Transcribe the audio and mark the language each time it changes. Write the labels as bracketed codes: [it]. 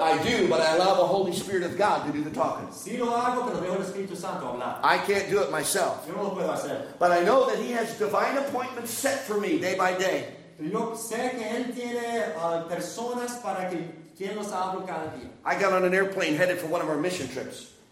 [en] I do, but I allow the Holy Spirit of God to do the talking. [es] Sí, lo hago, pero dejo el Espíritu Santo hablar. [en] I can't do it myself. [es] Yo no lo puedo hacer. [en] But I know that he has divine appointments set for me day by day. [es] Yo sé que él tiene personas para que... [en] I got on an airplane headed for one of our mission trips.